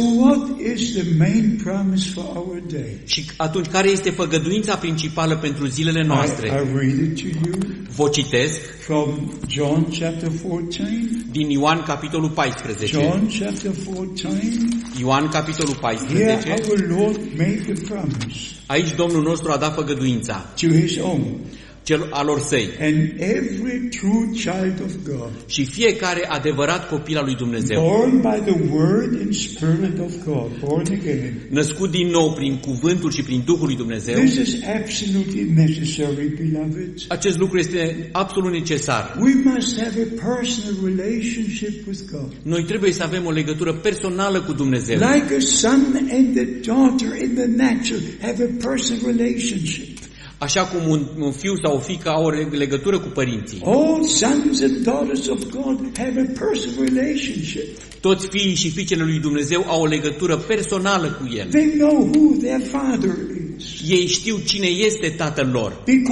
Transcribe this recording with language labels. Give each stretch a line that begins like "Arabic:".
English: So what is the main promise for our day?
Romanian: Și atunci care este făgăduința principală pentru zilele noastre?
English: I read it to you.
Romanian: Vă citesc
English: from John chapter 14.
Romanian: Din Ioan capitolul 14.
English: John chapter 14.
Romanian: Ioan capitolul 14.
English: Here our Lord made the promise.
Romanian: Aici Domnul nostru a dat făgăduința
English: to his own,
Romanian: alor săi.
English: And every true child of God,
Romanian: și fiecare adevărat copil al lui Dumnezeu,
English: born by the word and spirit of God, born again,
Romanian: născut din nou prin cuvântul și prin Duhul lui Dumnezeu.
English: This is absolutely necessary, beloved.
Romanian: Acest lucru este absolut necesar.
English: We must have a personal relationship with God.
Romanian: Noi trebuie să avem o legătură personală cu Dumnezeu.
English: Like a son and a daughter in the natural have a personal relationship.
Romanian: Așa cum un fiu sau o fiică au o legătură cu părinții.
English: All sons and daughters of God have a personal relationship.
Romanian: Toți fiii și fiicele lui Dumnezeu au o legătură personală cu El.
English: They know who their father is.
Romanian: Ei știu cine este tatăl lor.